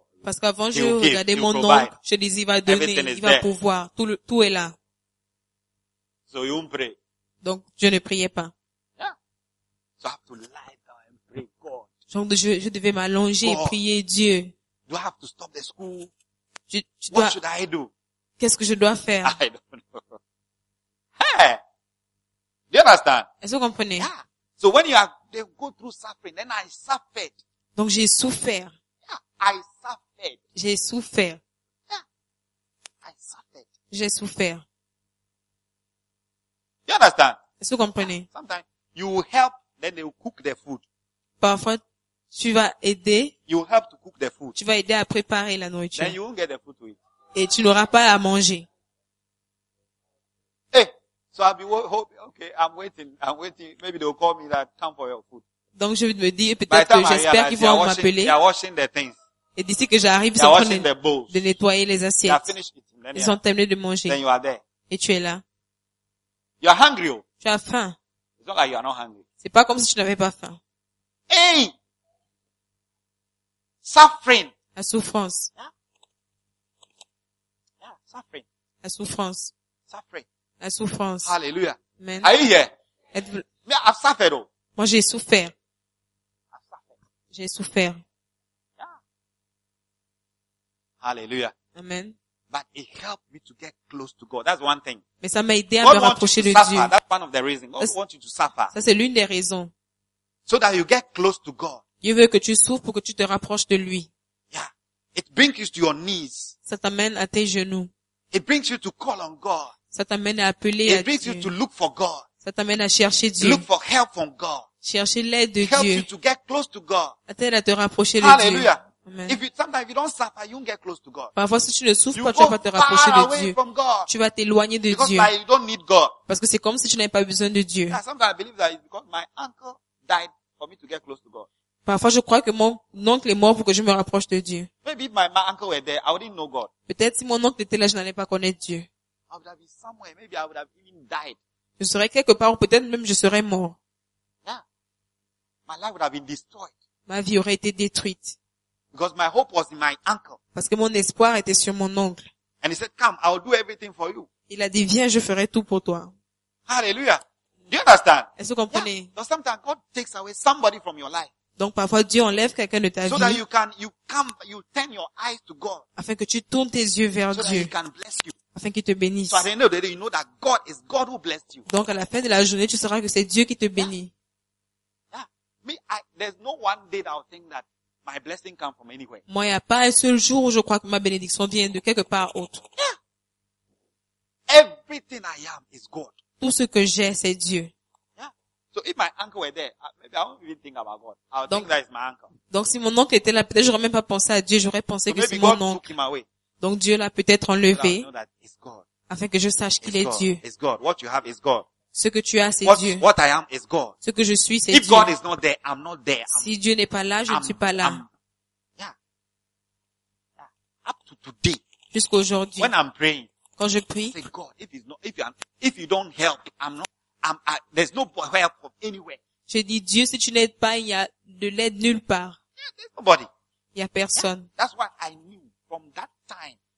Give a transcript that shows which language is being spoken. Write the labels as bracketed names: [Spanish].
[French] Parce qu'avant je regardais mon oncle, je disais il va donner, il va pouvoir, tout est là. [English] So you don't pray. [French] Donc je ne priais pas. [English] Yeah. So I have to lie down and pray God. [French] Donc je devais m'allonger et prier Dieu. [English] Do I have to stop the school? [French] Je [English] What [French] dois, [English] should I do? [French] Qu'est-ce que je dois faire? [English] I don't know. Hey, you understand? [French] Est-ce que vous comprenez? [English] Yeah. So when you are they go through suffering, then I suffered. [French] Donc j'ai souffert. [English] Yeah, I suffered. [French] J'ai souffert. [English] Yeah, I suffered. [French] J'ai souffert. [English] You understand? [French] Est-ce que vous comprenez? [English] Yeah. Sometimes you will help, then they will cook their food. [French] Parfois tu vas aider. [English] You will help to cook their food. [French] Tu vas aider à préparer la nourriture. [English] Then you won't get the food to eat. [French] Et tu n'auras pas à manger. [English] So I'll be hoping, okay, I'm waiting. Maybe they'll call me that time for your food. [French] Donc je me dis peut-être que j'espère qu'ils vont m'appeler. [English] They are washing their things. [French] Et d'ici que j'arrive, ils sont en train de nettoyer les assiettes. [English] They are finished eating. [French] Ils ont terminé de manger. [English] Then you are there. [French] Et tu es là. [English] You are hungry. [French] Tu as faim. [English] It's not like you are not hungry. [French] C'est pas comme si tu n'avais pas faim. [English] Hey! Suffering. [French] La souffrance. [English] Yeah, suffering. [French] La souffrance. [English] Suffering. [French] La souffrance. [English] Hallelujah. Amen. Are you here? I've suffered. [French] Moi, j'ai souffert. [English] I've suffered. [French] J'ai souffert. [English] Yeah. Hallelujah. Amen. But it helped me to get close to God. That's one thing. [French] Mais ça m'a aidé à me rapprocher de Dieu. [English] That's one of the reasons. God wants you to suffer. [French] Ça, c'est l'une des raisons. [English] So that you get close to God. [French] Dieu veut que tu souffres pour que tu te rapproches de lui. [English] Yeah. It brings you to your knees. [French] Ça t'amène à tes genoux. [English] It brings you to call on God. [French] Ça t'amène à appeler [English] It [French] à Dieu. [English] Brings you to look for God. [French] Ça t'amène à chercher Dieu. [English] Look for help from God. [French] Chercher l'aide de [English] Helps [French] Dieu. [English] You to get close to God. [French] Attends à te rapprocher [English] Hallelujah. [French] De Dieu. [English] Amen. If you sometimes if you don't suffer, you won't get close to God. [French] Parfois si tu ne souffres pas, tu vas pas te rapprocher de Dieu. [English] From God. [French] Tu vas t'éloigner de [English] because [French] Dieu. [English] Because you don't need God. [French] Parce que c'est comme si tu n'avais pas besoin de Dieu. [English] Yeah, sometimes I believe that it's because my uncle died for me to get close to God. [French] Parfois je crois que mon oncle est mort pour que je me rapproche de Dieu. [English] Maybe my uncle were there, I wouldn't know God. [French] Peut-être si mon oncle était là, je n'allais pas connaître Dieu. [English] I would have been somewhere. Maybe I would have even died. [French] Je serais quelque part ou peut-être même je serais mort. [English] Yeah. My life would have been destroyed. [French] Ma vie aurait été détruite. [English] Because my hope was in my uncle. [French] Parce que mon espoir était sur mon oncle. [English] And he said, "Come, I will do everything for you." [French] Il a dit, viens, je ferai tout pour toi. [English] Hallelujah. Do you understand? [French] Est-ce que vous comprenez? [English] Yeah. But sometimes God takes away somebody from your life. [French] Donc parfois Dieu enlève quelqu'un de ta [English] so [French] vie. [English] So that you turn your eyes to God. [French] Afin que tu tournes tes yeux vers [English] so [French] Dieu. [English] So that he can bless you. [French] Afin qu'il te bénisse. [English] So at the end of the day, you know that God is God who blessed you. [French] Donc à la fin de la journée, tu sauras que c'est Dieu qui te bénit. [English] Yeah. Yeah. There's no one day that I think that my blessing comes from anywhere. [French] Moi, il n'y a pas un seul jour où je crois que ma bénédiction vient de quelque part autre. [English] Yeah. Everything I am is God. [French] Tout ce que j'ai, c'est Dieu. [English] So if my uncle were there, maybe I won't even think about God. I would think that is my uncle. [French] Donc si mon oncle était là, peut-être j'aurais même pas pensé à Dieu, j'aurais pensé [English] so [French] que c'est mon oncle. [English] Took him away. [French] Donc Dieu l'a peut-être enlevé. [English] So that I know that it's God. [French] Afin que je sache qu'il est Dieu. [English] It's God. What you have is God. [French] Ce que tu as, c'est [English] what, [French] Dieu. [English] What I am is God. [French] Ce que je suis, c'est [English] if [French] Dieu. [English] God is not there, I'm not there. [French] Si Dieu n'est pas là, je ne suis pas là. [English] Yeah. Up to today. [French] Jusqu'aujourd'hui. [English] When I'm praying. [French] Quand je prie. [English] Say God, if you don't help, I'm not. There's no help from anywhere. [French] Je dis Dieu, si tu n'aides pas, il y a de l'aide nulle part. [English] Yeah, there's nobody. [French] Il y a personne. [English] Yeah, that's what I knew from that time.